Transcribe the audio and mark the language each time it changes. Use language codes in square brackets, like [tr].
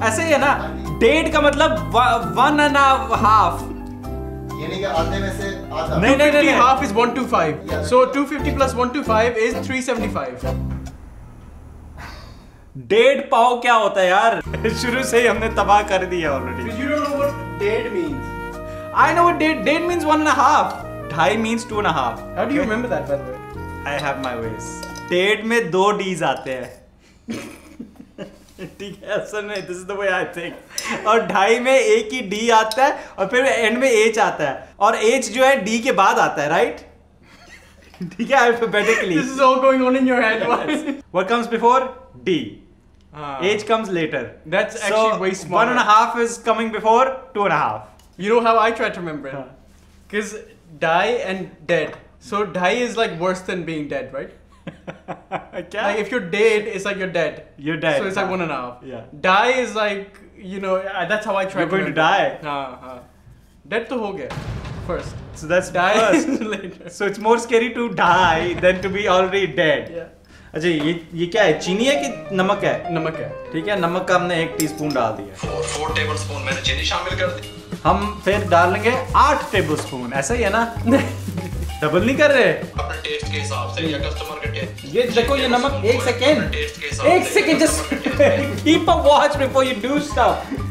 [hi] ऐसे ही है ना, डेढ़ का मतलब [en] One and half. No, no, no, half is 125. Yeah. So 250 plus 125 is 375. [hi] डेढ़ पाव क्या होता है यार? शुरू से ही हमने तबाह कर दिया [en] Already. So you don't know what डेढ़ means. I know what डेढ़ means. One and a half. ढाई means two and a half. How do you remember that, by the way? I have my ways. [hi] डेढ़ में दो D's आते हैं. ठीक है, असल में [en] This is the way I think. [hi] और ढाई में एक ही डी आता है और फिर एंड में एच आता है, और एच जो है डी के बाद आता है, राइट? ठीक है, alphabetically. [en] This is all going on in your head. What comes before D? H comes later. That's actually way smaller. One and half is coming before two and half. You know how I try to remember it? Because ढाई and dead, so ढाई is like worse than being dead, right? Okay. Like if you're dead, it's like you're dead. You're dead. So it's like one and a half. Yeah. Die is like, you know, that's how I try. You're going to die. Dead [hi] to ho gaya. First. [en] So that's die first. Later. So it's more scary to die than to be already dead. Yeah. [hi] अच्छा, ये क्या है? चीनी है कि नमक है? नमक है. ठीक है, नमक का हमने एक टीस्पून डाल दिया. [en] Four tablespoon [hi] मैंने चीनी शामिल कर दी. हम फिर डालेंगे 8 tablespoon. ऐसा ही है ना? डबल नहीं कर रहे अपने टेस्ट के हिसाब से या कस्टमर के टेस्ट. ये देखो, ये नमक, एक second, [en] Just keep a watch before you do stuff.